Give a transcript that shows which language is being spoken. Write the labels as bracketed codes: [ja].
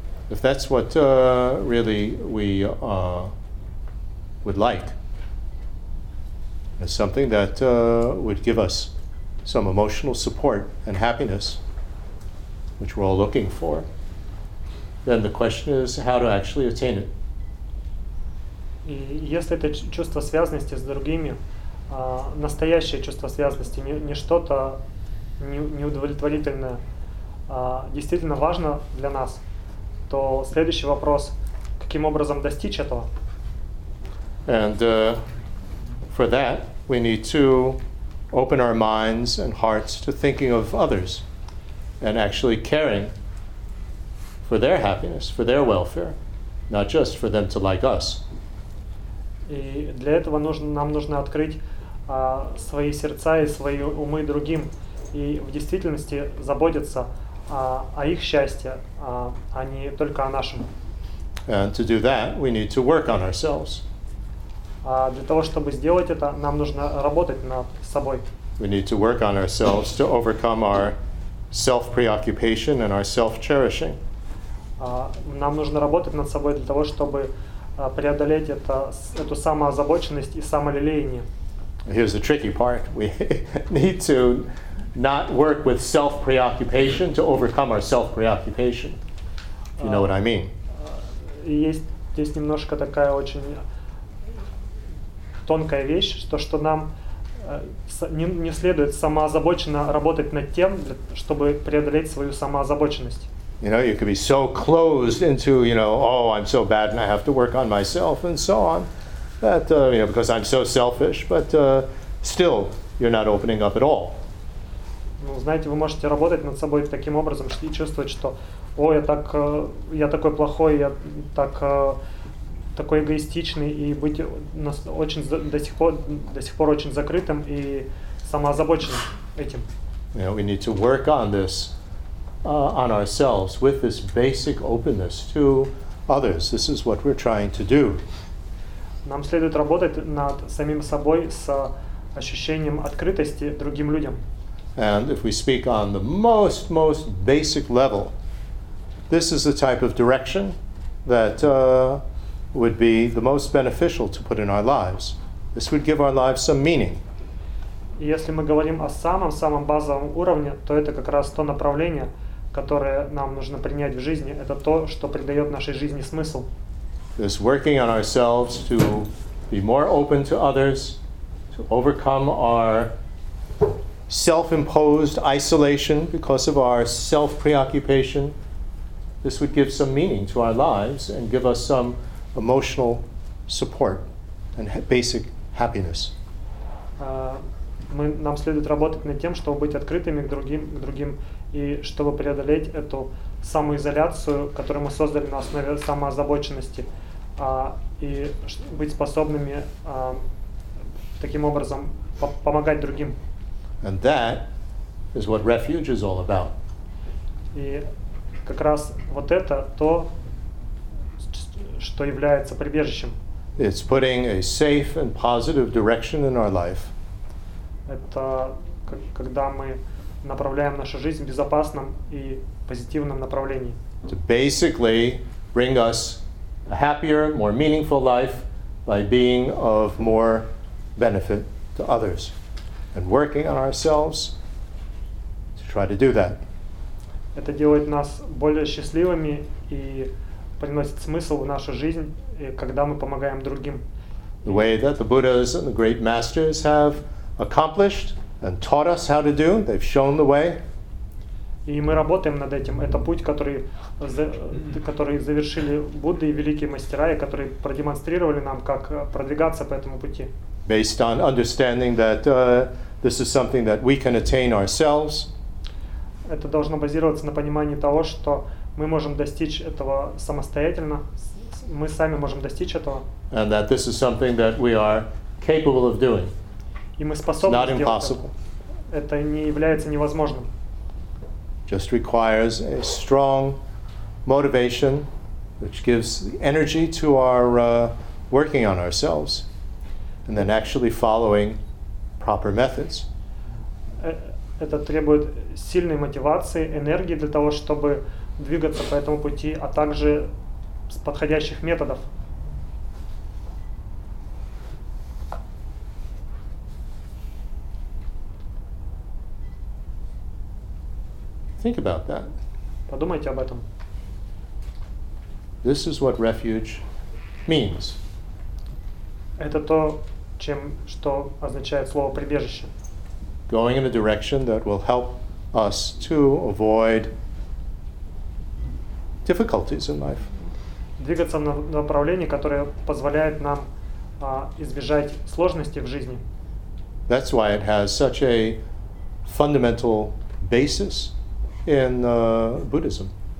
[en] if that's what really we would like, as something that would give us some emotional support and happiness, which we're all looking for, then the question is how to actually attain it. [ru] И если это чувство связанности с другими, настоящее чувство связанности, не что-то неудовлетворительное, действительно важно для нас, то следующий вопрос: каким образом достичь этого? [en] And for that we need to open our minds and hearts to thinking of others and actually caring for their happiness, for their welfare, not just for them to like us. [ru] И для этого нам нужно открыть свои сердца и свои умы другим и в действительности заботиться о их счастье, а не только о нашем. [en] And to do that, we need to work on ourselves. [ru] Для того, чтобы сделать это, нам нужно работать над собой. [en] We need to work on ourselves to overcome our self-preoccupation and our self-cherishing. [ru] Нам нужно работать над собой для того, чтобы преодолеть эту самоозабоченность и самолелеяние. [en] Here's the tricky part. We need to not work with self-preoccupation to overcome our self-preoccupation, if you know what I mean. [ru] Есть немножко такая очень тонкая вещь, что нам не следует самоозабоченно работать над тем, чтобы преодолеть свою самоозабоченность. [en] You know, you could be so closed into, you know, oh, I'm so bad and I have to work on myself and so on, that, you know, because I'm so selfish, but still, you're not opening up at all. [ru] Ну, знаете, вы можете работать над собой таким образом, и чувствовать, что, о, я такой плохой, я такой эгоистичный, и быть очень до сих пор очень закрытым и самоозабоченным этим. [en] You know, we need to work on this, on ourselves, with this basic openness to others. This is what we're trying to do. [ru] Нам следует работать над самим собой с ощущением открытости другим людям. [en] And if we speak on the most, most basic level, this is the type of direction that would be the most beneficial to put in our lives. This would give our lives some meaning. [ru] Если мы говорим о самом-самом базовом уровне, то это как раз то направление, которое нам нужно принять в жизни. Это то, что придает нашей жизни смысл. [en] This working on ourselves to be more open to others, to overcome our self-imposed isolation because of our self-preoccupation, this would give some meaning to our lives and give us some emotional support and basic happiness. [ru] Нам следует работать над тем, чтобы быть открытыми к другим и чтобы преодолеть эту самоизоляцию, которую мы создали на основе самоозабоченности, и быть способными таким образом помогать другим. [en] And that is what refuge is all about. [ru] И как раз вот это то, что является прибежищем. [en] It's putting a safe and positive direction in our life. [ru] Это когда мы направляем нашу жизнь в безопасном и позитивном направлении. [en] To basically bring us a happier, more meaningful life by being of more benefit to others. And working on ourselves to try to do that. [ru] Это делает нас более счастливыми и приносит смысл в нашу жизнь, когда мы помогаем другим. [en] The way that the Buddhas and the great masters have accomplished and taught us how to do, they've shown the way. [ru] И мы работаем над этим. Это путь, который завершили Будды и великие мастера, и которые продемонстрировали нам, как продвигаться по этому пути. [en] Based on understanding that this is something that we can attain ourselves. [ru] Это должно базироваться на понимании того, что мы можем достичь этого самостоятельно, мы сами можем достичь этого. [en] And that this is something that we are capable of doing. [ru] И мы способны сделать это. [en] Not impossible. [ru] Это не является невозможным. [en] Just requires a strong motivation, which gives the energy to our working on ourselves. And then actually following proper methods. [ru] Это требует сильной мотивации, энергии для того, чтобы двигаться по этому пути, а также с подходящих методов. [en] Think about that. [ru] Подумайте об этом. [en] This is what refuge means. [ru] Это то, чем, что означает слово прибежище. [en] Going in a direction that will help us to avoid difficulties in life. [ru] Двигаться в направлении, которое позволяет нам избежать сложностей в жизни. [en] That's why it has such a fundamental basis in Buddhism.